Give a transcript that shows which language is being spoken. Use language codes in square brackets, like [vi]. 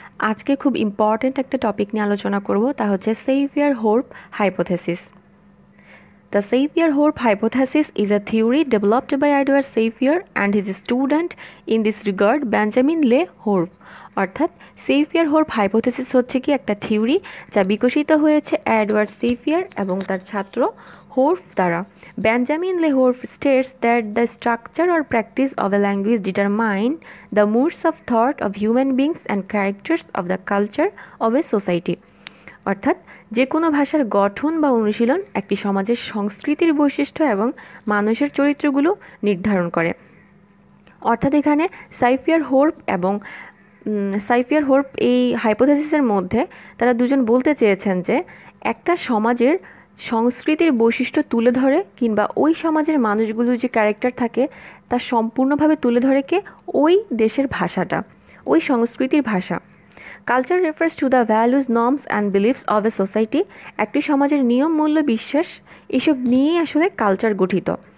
[bn] আজকে খুব ইম্পর্টেন্ট একটা টপিক নিয়ে আলোচনা করব, তা হচ্ছে Sapir-whorf hypothesis. [en] The Sapir-whorf hypothesis is a theory developed by Edward Sapir and his student in this regard Benjamin Le Whorf. [bn] অর্থাৎ Sapir-whorf hypothesis হচ্ছে কি একটা থিওরি যা বিকশিত হয়েছে Edward Sapir এবং তার ছাত্র Whorf Dara. [en] Benjamin Le Whorf states that the structure or practice of a language determine the moods of thought of human beings and characters of the culture of a society. [bn] অর্থাৎ যে কোনো ভাষার গঠন বা অনুশীলন একটি সমাজের সংস্কৃতির বৈশিষ্ট্য এবং মানুষের চরিত্রগুলো নির্ধারণ করে। অর্থাৎ এখানে Sapir-whorf এবং Sapir-whorf এই হাইপোথেসিসের মধ্যে তারা দুজন বলতে চেয়েছেন যে একটা সমাজের সংস্কৃতির বৈশিষ্ট্য তুলে ধরে কিংবা ওই সমাজের মানুষগুলোর যে ক্যারেক্টার থাকে তা সম্পূর্ণভাবে তুলে ধরে কে ওই দেশের ভাষাটা ওই সংস্কৃতির ভাষা [en] culture refers to the values norms and beliefs of a society [bn] একটি সমাজের নিয়ম মূল্য বিশ্বাস এসব নিয়েই আসলে কালচার গঠিত